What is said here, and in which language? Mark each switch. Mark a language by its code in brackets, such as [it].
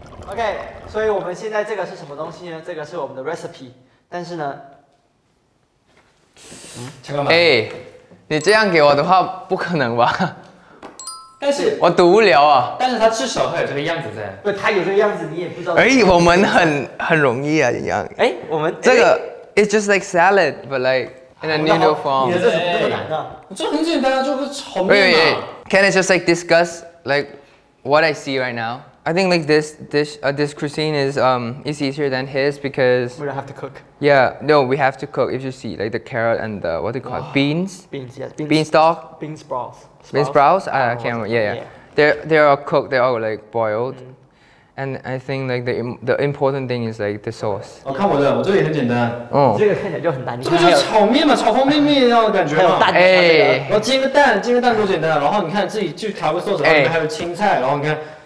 [zh] OK， 所以我们现在这个是什么东西呢？这个是我们的 recipe， 但是呢，嗯，陈老板，哎，你这样给我的话，不可能吧？但是，我读不了啊。但是它至少它有这个样子在。对，它有这个样子，你也不知道。哎，我们很容易啊，一样。哎，我们这个 [en] it's just like salad， but like in a noodle form。 [zh] 你的这怎么这么难啊？这很简单啊，这不是炒面吗？ [en] Can I just like discuss like what I see right now？ I think like this dish, this cuisine is easier than his because we don't have to cook. Yeah, no, we have to cook. If you see like the carrot and the, what do you call it? Beans? Beans, yes. Bean stalk? Bean sprouts. Bean sprouts? I can't remember. Yeah. They're all cooked, they're all like boiled. Mm. And I think like the important thing is like the sauce. [zh] 我看我的，我这里很简单。哦，这个看起来就很难。这不就炒面吗？炒方便面那种感觉吗？还有蛋，煎个蛋多简单啊。然后你看自己去调个色泽，里面还有青菜，然后你看。